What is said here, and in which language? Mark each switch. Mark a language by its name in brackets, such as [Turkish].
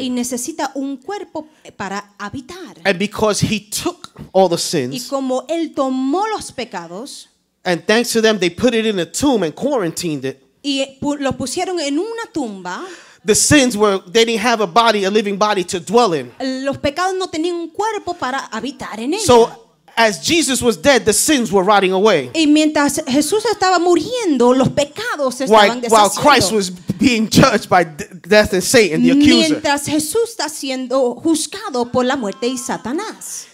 [Spanish] Y necesita un cuerpo para habitar. [English] And because he took all the sins. [Spanish] Y como él tomó los pecados. [English] And thanks to them, they put it in a tomb and quarantined it. [Spanish] Y lo pusieron en una tumba. [English] The sins were, they didn't have a body, a living body to dwell in. [Spanish] Los pecados no tenían un cuerpo para habitar en ella. [English] So as Jesus was dead, the sins were rotting away. [Spanish] Y mientras Jesús estaba muriendo, los pecados estaban deshaciendo. [English] While Christ was being judged by death and Satan, the accuser. [Spanish] Mientras Jesús está siendo juzgado por la muerte y Satanás.